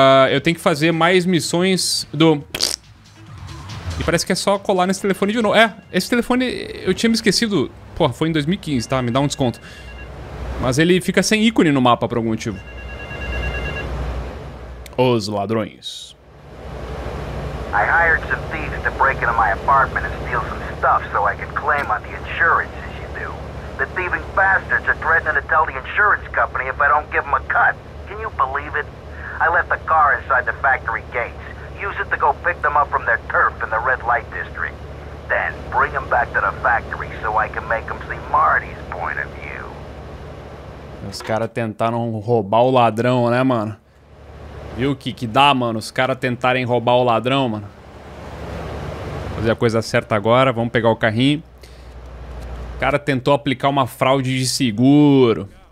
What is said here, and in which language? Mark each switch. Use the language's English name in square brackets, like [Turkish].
[Portuguese] Eu tenho que fazer mais missões do... E parece que é só colar nesse telefone de novo. É, esse telefone eu tinha me esquecido. Pô, foi em 2015, tá? Me dá um desconto. Mas ele fica sem ícone no mapa por algum motivo. Os ladrões. [English] I hired some thieves to break into my apartment and steal some stuff so I could claim on the insurance as you do. The thieving bastards are threatening to tell the insurance company if I don't give them a cut. Can you believe it? I left the car inside the factory gates. Use it to go pick them up from their turf in the red light district. Then bring them back to the factory so I can make them see Marty's point of view. [Portuguese] Os caras tentaram roubar o ladrão, né, mano? Viu o que dá, mano? Os caras tentarem roubar o ladrão, mano. Fazer a coisa certa agora. Vamos pegar o carrinho. O cara tentou aplicar uma fraude de seguro.